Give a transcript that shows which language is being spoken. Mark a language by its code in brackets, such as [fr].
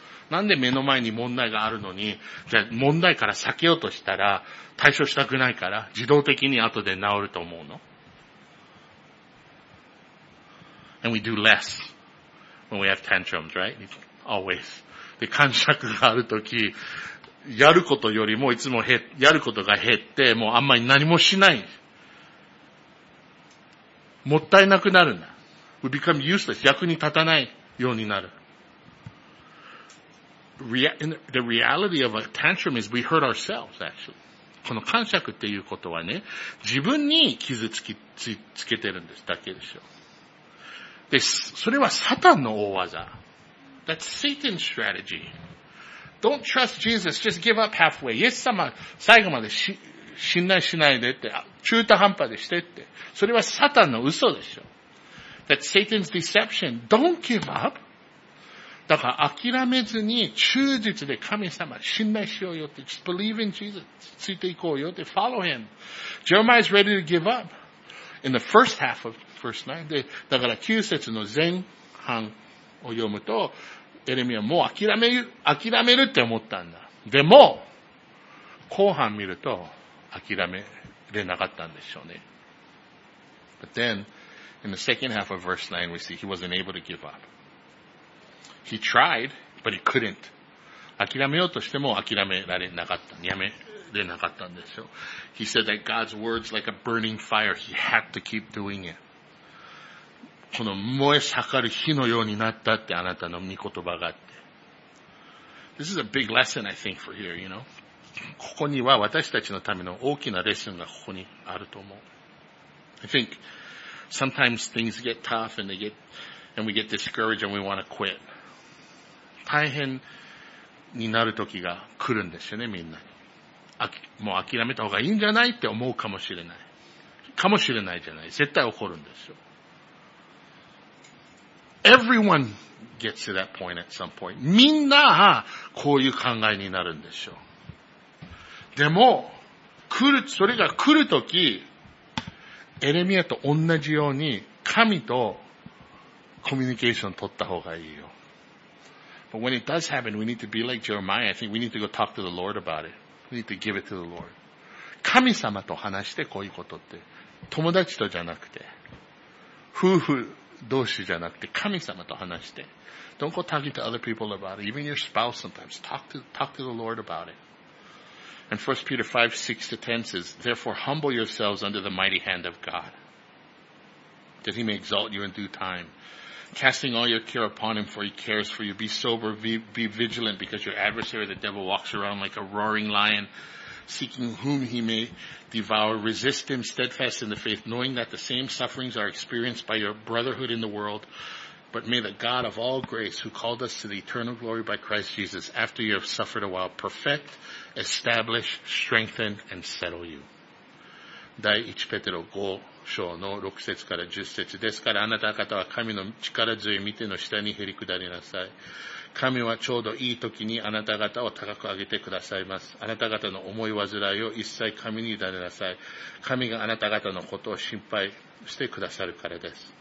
[ja] なんで目の前に問題があるのに、じゃあ問題から避けようとしたら、対処したくないから、自動的に後で治ると思うの？ [en] And we do less when we have tantrums, right? Always. [ja] で、感触があるとき、やることよりもいつもやることが減って、もうあんまり何もしない。もったいなくなるんだ。 [en] We become useless. [ja] 役に立たないようになる。 [en] The reality of a tantrum is we hurt ourselves, actually. [ja] この感触っていうことはね、自分に傷つけてるんです、だけでしょ。で、それはサタンの大技。 [en] That's Satan's strategy. Don't trust Jesus, just give up halfway. イエス様、 [ja] 最後まで信頼しないでって、中途半端でしてって。それはサタンの嘘でしょ。 [en] That's Satan's deception. Don't give up. [ja] だから諦めずに忠実で神様信頼しようよって、 [en] just believe in Jesus. [ja] ついていこうよって、 [en] follow him. Jeremiah is ready to give up. In the first half of verse 9. [ja] で、だから9節の前半を読むと、エレミアもう諦めるって思ったんだ。でも、後半見ると、諦めれなかったんでしょうね。 [en] But then, in the second half of verse 9, we see he wasn't able to give up. He tried, but he couldn't. [ja] 諦めようとしても諦められなかった。やめれなかったんでしょう。 [en] He said that God's words like a burning fire, he had to keep doing it. [ja] この燃え盛る火のようになったってあなたの御言葉があって。 [en] This is a big lesson, I think, for here, you know. [ja] ここには私たちのための大きなレッスンがここにあると思う。 [en] I think sometimes things get tough and we get discouraged and we want to quit. [ja] 大変になる時が来るんですよね、みんな。もう諦めた方がいいんじゃないって思うかもしれない。かもしれないじゃない。絶対起こるんですよ。 [en] Everyone gets to that point at some point. [ja] みんなこういう考えになるんですよ。でも、それが来るとき、エレミアと同じように、神とコミュニケーション取った方がいいよ。 [en] But when it does happen, we need to be like Jeremiah. I think we need to go talk to the Lord about it. We need to give it to the Lord. [ja] 神様と話してこういうことって、友達とじゃなくて、夫婦同士じゃなくて、神様と話して。 [en] Don't go talking to other people about it. Even your spouse sometimes. Talk to the Lord about it. And 1 Peter 5, 6 to 10 says, Therefore humble yourselves under the mighty hand of God, that he may exalt you in due time, casting all your care upon him, for he cares for you. Be sober, be vigilant, because your adversary, the devil, walks around like a roaring lion, seeking whom he may devour. Resist him steadfast in the faith, knowing that the same sufferings are experienced by your brotherhood in the world. But may the God of all grace, who called us to the eternal glory by Christ Jesus, after you have suffered a while, perfect,establish, strengthen, and settle you. [ja] 第1ペテロ5章の6節から10節ですから、あなた方は神の力強い御手の下にへり下りなさい。神はちょうどいい時にあなた方を高く上げてくださいます。あなた方の思い煩いを一切神に委ねなさい。神があなた方のことを心配してくださるからです。